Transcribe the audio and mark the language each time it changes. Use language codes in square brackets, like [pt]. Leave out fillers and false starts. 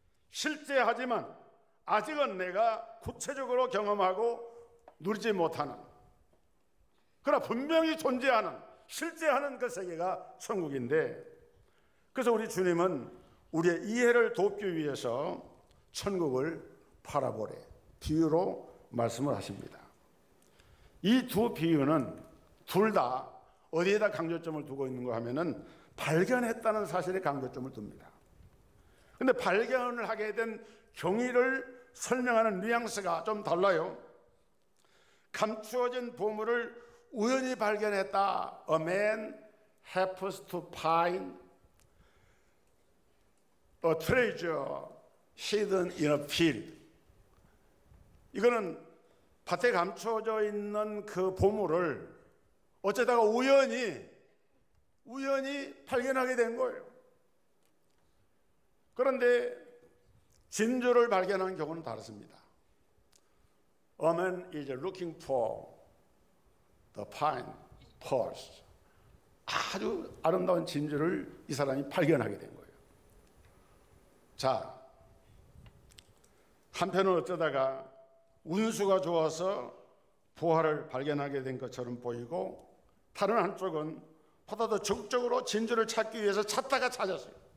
[ko] 실제하지만 아직은 내가 구체적으로 경험하고 누리지 못하는, 그러나 분명히 존재하는, 실제하는 그 세계가 천국인데, 그래서 우리 주님은 우리의 이해를 돕기 위해서 천국을 파라보레, 비유로 말씀을 하십니다. 이 두 비유는 둘 다 어디에다 강조점을 두고 있는가 하면은 발견했다는 사실에 강조점을 둡니다. 그런데 발견을 하게 된 경위를 설명하는 뉘앙스가 좀 달라요. 감추어진 보물을 우연히 발견했다. [en] A man happens to find. A treasure hidden in a field. [ko] 이거는 밭에 감춰져 있는 그 보물을 어쩌다가 우연히 발견하게 된 거예요. 그런데 진주를 발견한 경우는 다릅니다. [en] A man is looking for the fine pearls. [ko] 아주 아름다운 진주를 이 사람이 발견하게 된 거예요. 자, 한편은 어쩌다가 운수가 좋아서 보화를 발견하게 된 것처럼 보이고, 다른 한쪽은 보다 더 적극적으로 진주를 찾기 위해서 찾다가 찾았어요.